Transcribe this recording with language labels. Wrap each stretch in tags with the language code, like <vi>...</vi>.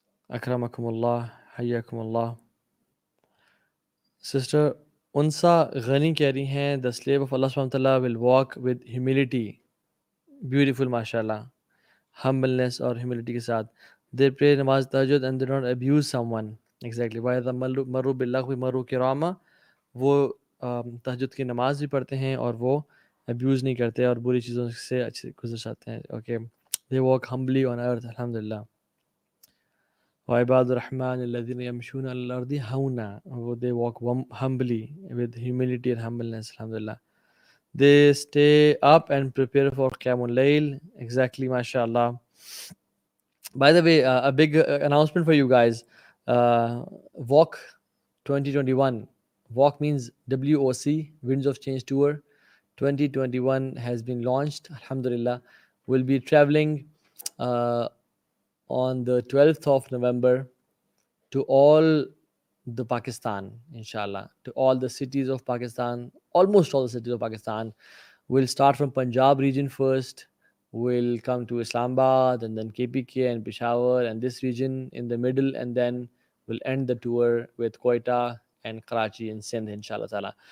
<en>اکرمکم اللہ, حیاکم اللہ.</en> <ur>Sister انسا غنی کہہ رہی ہیں</ur> <en>The slave of اللہ سبحانہ وتعالیٰ ول واک ود ہیوملٹی.</en> <ur>بیوٹیفل ماشاء اللہ, ہمبلنس اور ہیوملٹی کے ساتھ.</ur> <en>They pray نماز تہجد and they don't abuse someone.</en> <ur>Exactly,</ur> <ar>وائی مرو بلّہ مرو کراما,</ar> <ur>وہ تہجد کی نماز بھی پڑھتے ہیں اور وہ ابیوز نہیں کرتے اور بری چیزوں سے اچھے گزر جاتے ہیں.</ur> <en>Okay, they walk humbly on earth الحمد للہ.</en> <ar>وعباد الرحمن الذین یمشون علی الارض ہونا,</ar> <en>وہ دے walk ہمبلی with humility and humbleness الحمد للہ. They stay up and prepare for قیام اللیل. ایگزیکٹلی ماشاء اللہ. By the way, a big announcement for you guys, walk 2021, walk means WOC, winds of change tour 2021 has been launched alhamdulillah. We'll be traveling on the 12th of November to all the Pakistan inshallah, to all the cities of Pakistan, almost all the cities of Pakistan. We'll start from Punjab region first, we'll come to Islamabad and then KPK and Peshawar and this region in the middle, and then we'll end the tour with Quetta and Karachi and Sindh inshallah ta'ala.</en>